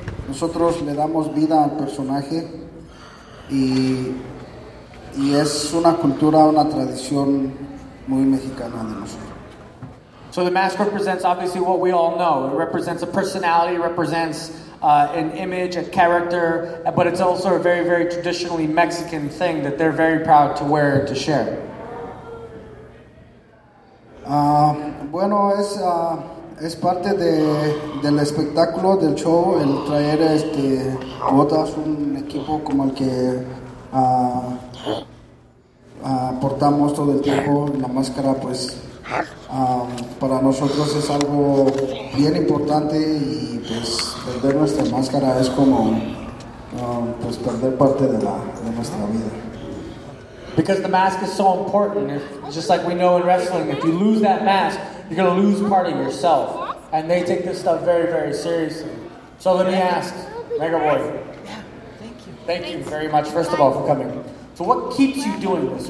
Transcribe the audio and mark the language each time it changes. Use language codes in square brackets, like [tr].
[es] Nosotros le damos vida al personaje y es una cultura, una tradición muy mexicana de nosotros. [en] So the mask represents obviously what we all know. It represents a personality, represents an image, a character, but it's also a very, very traditionally Mexican thing that they're very proud to wear and to share. [es] Bueno, es... es parte del espectáculo, del show, el traer botas, un equipo como el que portamos todo el tiempo. La máscara, pues, para nosotros es algo bien importante y, pues, perder nuestra máscara es como pues perder parte de nuestra vida. [en] Because the mask is so important, just like we know in wrestling, if you lose that mask, you're going to lose part of yourself. And they take this stuff very, very seriously. So let me ask, Mega Boy. Yeah, thank you. Thank you very much, first of all, for coming. So what keeps you doing this?